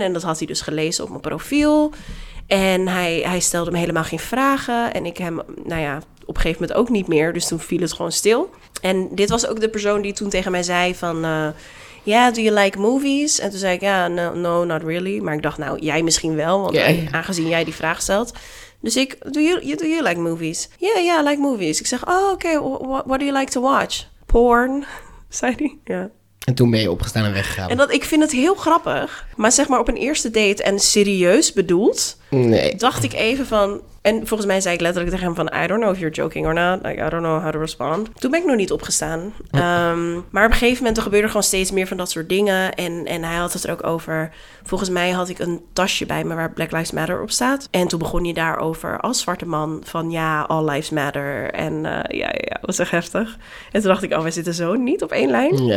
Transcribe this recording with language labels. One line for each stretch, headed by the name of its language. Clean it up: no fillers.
Dutch: En dat had hij dus gelezen op mijn profiel. En hij stelde me helemaal geen vragen. En ik hem, nou ja... op een gegeven moment ook niet meer. Dus toen viel het gewoon stil. En dit was ook de persoon die toen tegen mij zei van...
English: do you like movies?
Dutch: En toen zei ik,
English: no, not really.
Dutch: Maar ik dacht, nou, jij misschien wel. Want aangezien jij die vraag stelt. Dus ik,
English: do you like movies? Yeah, I like movies.
Dutch: Ik zeg,
English: oh, okay, what do you like to watch?
Dutch: Porn, zei hij. Ja. En toen ben je opgestaan en weggegaan. En dat, ik vind het heel grappig. Maar zeg maar op een eerste date en serieus bedoeld... Nee. Dacht ik even van... En volgens mij zei ik letterlijk tegen hem van...
English: I don't know if you're joking or not. Like, I don't know how to respond.
Dutch: Toen ben ik nog niet opgestaan. Maar op een gegeven moment er gebeurde gewoon steeds meer van dat soort dingen. En hij had het er ook over... Volgens mij had ik een tasje bij me waar Black Lives Matter op staat. En toen begon hij daarover als zwarte man van... Ja,
English: all lives matter.
Dutch: En het was echt heftig. En toen dacht ik, oh, wij zitten zo niet op één lijn.